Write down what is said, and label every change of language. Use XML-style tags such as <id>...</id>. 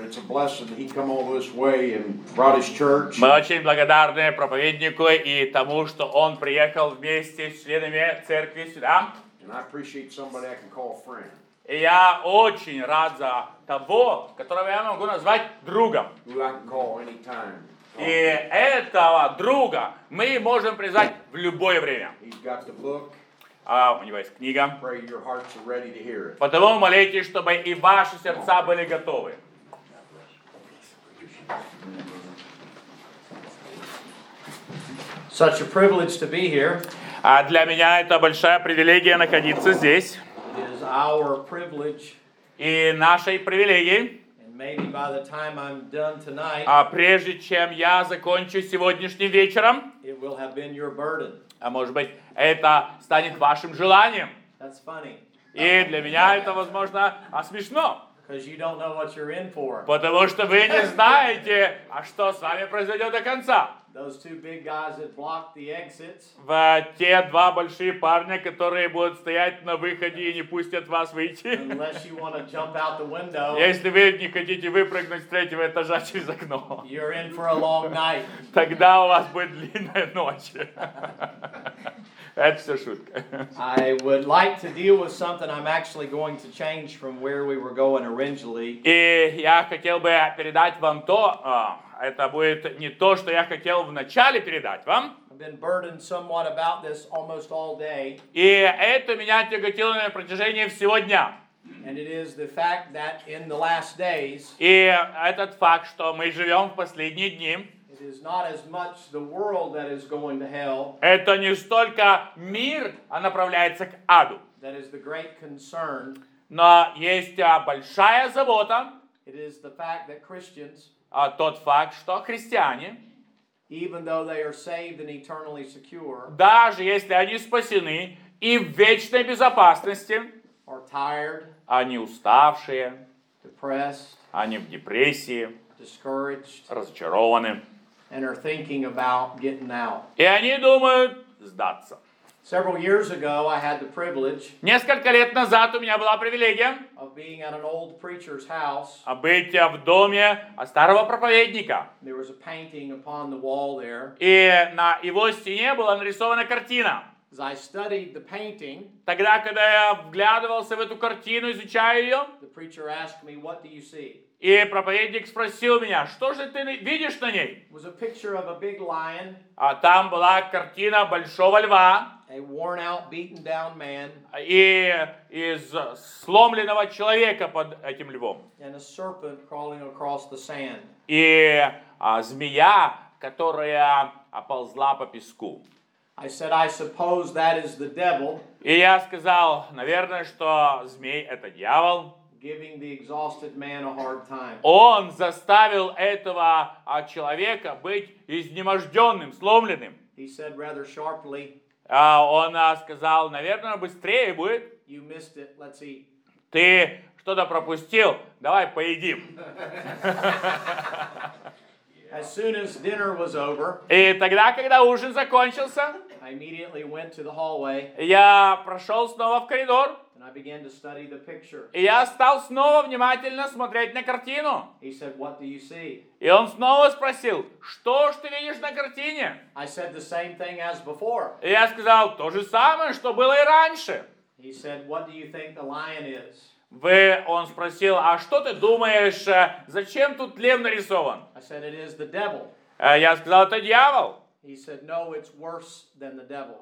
<en>It's a blessing that he come all this way and brought his church.</en> <ru>Мы очень благодарны проповеднику и тому, что он приехал вместе с членами церкви сюда.</ru> <en>And I appreciate somebody I can call a friend.</en> <ru>И я очень рад за того, которого я могу назвать другом.</ru> <en>Who I can call anytime.</en> <ru>И этого друга мы можем призвать в любое время.</ru> <en>He's got the book.</en> <ru>У него есть книга.</ru> <en>Pray your hearts are ready to hear it.</en> <ru>Потому молитесь, чтобы и ваши сердца были готовы.</ru> <en>Such a privilege to be here.</en> <ru>А для меня это большая привилегия находиться здесь.</ru> <en>It is our privilege.</en> <ru>И нашей привилегией.</ru> <en>Maybe by the time I'm done tonight.</en> <ru>А прежде чем я закончу сегодняшним вечером,</ru> <en>it will have been your burden.</en> <ru>А может быть, это станет вашим желанием.</ru> <en>That's funny.</en> <ru>И для меня это, возможно, смешно.</ru> <en>Because you don't know what you're in for.</en> <ru>Потому что вы не знаете, а что с вами произойдет до конца.</ru> <en>Those two big guys that blocked the exits.</en> <ru>Те два большие парня, которые будут стоять на выходе и не пустят вас выйти.</ru> <en>Unless you want to jump out the window.</en> <ru>Если вы не хотите выпрыгнуть с третьего этажа через окно.</ru> <en>You're in for a long night.</en> <ru>Тогда у вас будет длинная ночь. Это все шутка.</ru> <en>I would like to deal with something I'm actually going to change from where we were going originally.</en> <ru>И я хотел бы передать вам то. Это будет не то, что я хотел вначале передать вам.</ru> <en>I've been burdened somewhat about this almost all day.</en> <ru>И это меня тяготило на протяжении всего дня.</ru> <en>And it is the fact that in the last days,</en> <ru>и этот факт, что мы живем в последние дни,</ru> <en>it is not as much the world that is going to hell,</en> <ru>это не столько мир, а направляется к аду.</ru> <en>That is the great concern.</en> <ru>Но есть большая забота.</ru> <en>It is the fact that Christians,</en> <ru>а тот факт, что христиане,</ru> <en>even though they are saved and eternally secure,</en> <ru>даже если они спасены и в вечной безопасности,</ru> <en>are tired,</en> <ru>они уставшие,</ru> <en>depressed,</en> <ru>они в депрессии,</ru> <en>discouraged,</en> <ru>разочарованы,</ru> <en>and are thinking about getting out.</en> <ru>И они думают сдаться.</ru> <en>Several years ago, I had the privilege.</en> <ru>Несколько лет назад у меня была привилегия.</ru> <en>Of being at an old preacher's house.</en> <ru>А быть в доме старого проповедника.</ru> <en>There was a painting upon the wall there.</en> <ru>И на его стене была нарисована картина.</ru> <en>As I studied the painting.</en> <ru>Тогда, когда я вглядывался в эту картину, изучая ее.</ru> <en>The preacher asked me, "What do you see?"</en> <ru>И проповедник спросил меня, что же ты видишь на ней?</ru> <en>Was a picture of a big lion.</en> <ru>А там была картина большого льва.</ru> <en>A worn out, beaten down man.</en> <ru>И из сломленного человека под этим львом.</ru> <en>And a serpent crawling across the sand.</en> <ru>И змея, которая оползла по песку.</ru> <en>I said, I suppose that is the devil.</en> <ru>И я сказал, наверное, что змей это дьявол.</ru> <en>Giving the exhausted man a hard time.</en> <ru>Он заставил этого человека быть изнеможденным, сломленным.</ru> <en>He said rather sharply.</en> <ru>Он сказал, наверное, быстрее будет.</ru> <en>You missed it. Let's eat.</en> <ru>Ты что-то пропустил. Давай поедим.</ru> <en>As soon as dinner was over,</en> <ru>и тогда, когда ужин закончился,</ru> <en>I immediately went to the hallway.</en> <ru>Я прошел снова в коридор.</ru> <en>And I began to study the picture.</en> <ru>И я стал снова внимательно смотреть на картину.</ru> <en>He said, "What do you see?"</en> <ru>И он снова спросил, что ж ты видишь на картине?</ru> <en>I said the same thing as before.</en> <ru>И я сказал то же самое, что было и раньше.</ru> <en>He said, "What do you think the lion is?"</en> <ru>Он спросил, а что ты думаешь, зачем тут лев нарисован?</ru> <en>I said, "It is the devil."</en> <ru>Я сказал, это дьявол.</ru> <en>He said, "No, it's worse than the devil."</en>